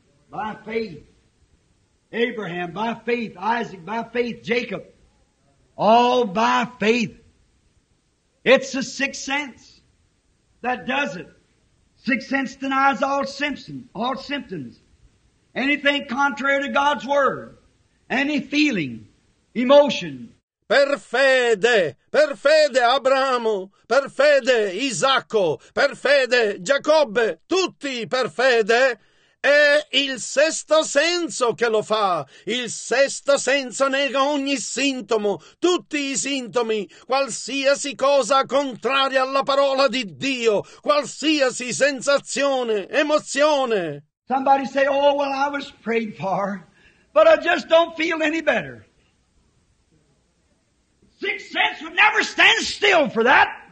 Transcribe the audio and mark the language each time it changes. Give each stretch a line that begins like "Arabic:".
English: By faith, Abraham, by faith, Isaac, by faith, Jacob, all by faith. It's the sixth sense that does it. Sixth sense denies all symptoms, anything contrary to God's word, any feeling, emotion.
Italian: Per fede Abramo, per fede Isacco, per fede Giacobbe, tutti per fede. È il sesto senso che lo fa. Il sesto senso nega ogni sintomo, tutti i sintomi, qualsiasi cosa contraria alla parola di Dio, qualsiasi sensazione, emozione.
English: Somebody say, oh, well, I was prayed for, but I just don't feel any better. Sixth sense would never stand still for that.